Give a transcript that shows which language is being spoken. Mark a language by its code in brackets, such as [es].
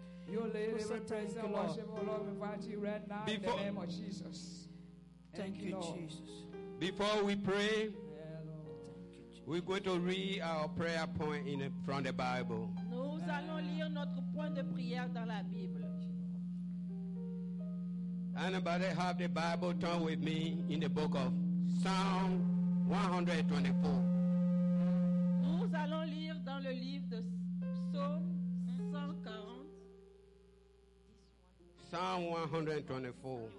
[en] You live in the presence of worship, Lord. We invite you right now in the name of Jesus. Thank you, Jesus. Before we pray, we're going to read our prayer point in from the Bible. [fr] Nous allons lire notre point de prière dans la Bible. [en] Anybody have the Bible? Turn with me in the book of Psalm 124. [fr] Allons lire dans le livre de Psaume 140. [en] Psalm 124.